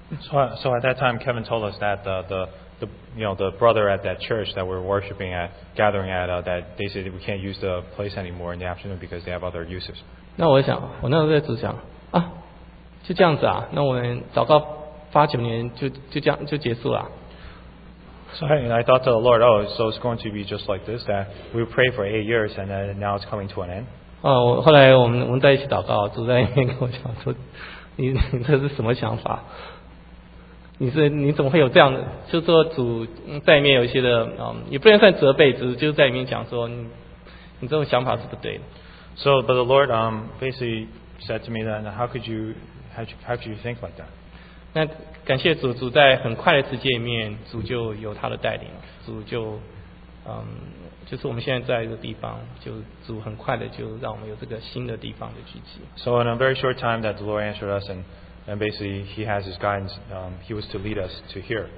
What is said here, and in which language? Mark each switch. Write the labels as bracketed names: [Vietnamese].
[English] So at that time, Kevin told us that the brother at that church that we're worshiping at, gathering at, that they said we can't use the place anymore in the afternoon because they have other uses. [Chinese] 那我想，我那时候在主讲啊，就这样子啊，那我们祷告八九年就这样就结束了。 [English] So I thought to the Lord, oh, so it's going to be just like this, that we pray for 8 years and then now it's coming to an end. [Chinese] 后来我们在一起祷告，主在里面跟我讲说，你这是什么想法？你怎么会有这样的？就是说主在里面有一些的，也不能算责备，只是就在里面讲说，你这种想法是不对的。 [English] So, but the Lord basically said to me that, how could you think like that? [Chinese] 那感谢主，主在很快的时间里面，主就有他的带领，主就就是我们现在在一个地方，就主很快的就让我们有这个新的地方的聚集。 [English] So in a very short time that the Lord answered us and basically He has His guidance, He was to lead us to here.